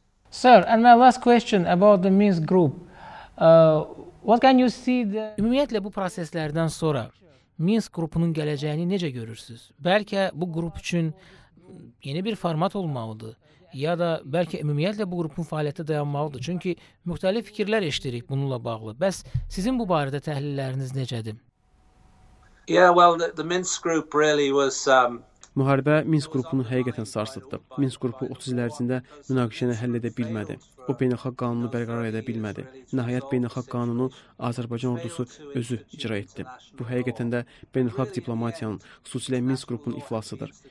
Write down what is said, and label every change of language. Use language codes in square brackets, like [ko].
[en] Sir, and my last question about the Minsk group. What can you see the [az] Ümumiyyətlə bu proseslərdən sonra Minsk qrupunun gələcəyini necə görürsüz? Bəlkə bu qrup üçün yeni bir format olmalıdır ya da bəlkə ümumiyyətlə bu qrupun fəaliyyəti dayanmalıdır. Çünki müxtəlif fikirlər eşidirik bununla bağlı. Bəs sizin bu barədə təhlilləriniz necədir? [en] Yeah, well the Minsk group really was [az] Müharibə Minsk qrupunu həqiqətən sarsıtdı. Minsk qrupu 30 il ərzində münaqişəni həll edə bilmədi. O, beynəlxalq qanunu bərqərar edə bilmədi. Nəhayət, beynəlxalq qanunu Azərbaycan ordusu özü icra etdi. Bu, həqiqətən də beynəlxalq diplomatiyanın, xüsusilə Minsk qrupunun iflasıdır.